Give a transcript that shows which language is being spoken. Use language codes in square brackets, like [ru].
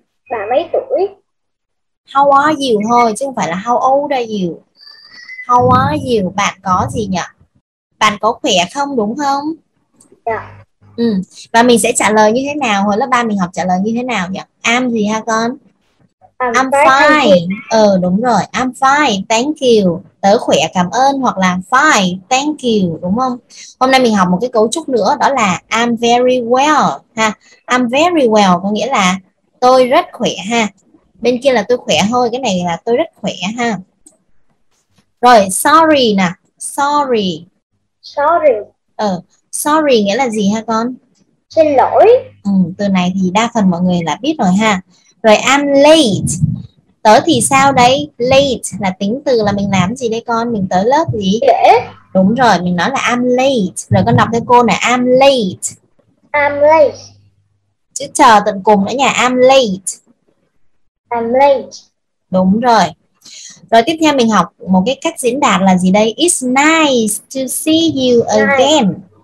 [vi] Bạn mấy tuổi? [en] How are you [vi] thôi, chứ không phải là [en] how old are you. How are you, [vi] bạn có gì nhỉ? Bạn có khỏe không, đúng không? Dạ. Và mình sẽ trả lời như thế nào? Hồi lớp 3 mình học trả lời như thế nào nhỉ? I'm gì ha con? [en] I'm fine. [vi] Đúng rồi, [en] I'm fine, thank you. [vi] Tớ khỏe, cảm ơn. Hoặc là [en] fine, thank you, [vi] đúng không? Hôm nay mình học một cái cấu trúc nữa, đó là [en] I'm very well [vi] ha. [en] I'm very well [vi] có nghĩa là tôi rất khỏe ha. Bên kia là tôi khỏe thôi, cái này là tôi rất khỏe ha. Rồi, sorry nè. Sorry. [en] Sorry. [vi] Sorry nghĩa là gì ha con? Xin lỗi. Từ này thì đa phần mọi người là biết rồi ha. Rồi, [en] I'm late. [vi] Tớ thì sao đấy? Late là tính từ là mình làm gì đấy con? Mình tới lớp gì? Trễ. Đúng rồi, mình nói là [en] I'm late. [vi] Rồi con đọc theo cô này, I'm late. [en] I'm late. [vi] Chữ chờ tận cùng nữa nha, [en] I'm late. I'm late. [vi] Đúng rồi. Rồi tiếp theo mình học một cái cách diễn đạt là gì đây? [en] It's nice to see you again.